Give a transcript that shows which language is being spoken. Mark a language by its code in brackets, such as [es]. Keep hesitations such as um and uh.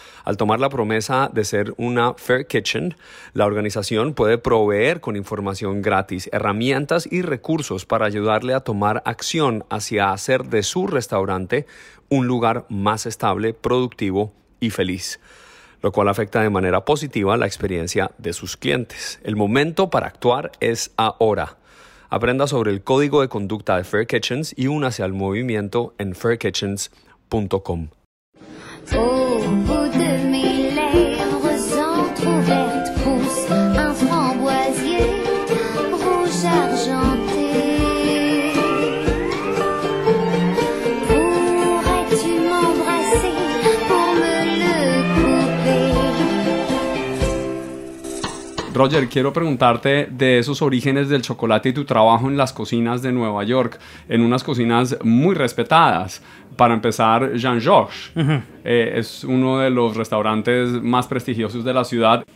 [es] Al tomar la promesa de ser una Fair Kitchen, la organización puede proveer con información gratis, herramientas y recursos para ayudarle a tomar acción hacia hacer de su restaurante un lugar más estable, productivo y feliz lo cual afecta de manera positiva la experiencia de sus clientes. El momento para actuar es ahora. Aprenda sobre el código de conducta de Fair Kitchens y únase al movimiento en fairkitchens.com. [fr] Au bout de mes lèvres entrouvertes pousse un framboisier rouge argenté. Pourrais-tu m'embrasser pour me le couper? [es] Roger, quiero preguntarte de esos orígenes del chocolate y tu trabajo en las cocinas de Nueva York, en unas cocinas muy respetadas. Para empezar, Jean-Georges Ujú. eh, es uno de los restaurantes más prestigiosos de la ciudad.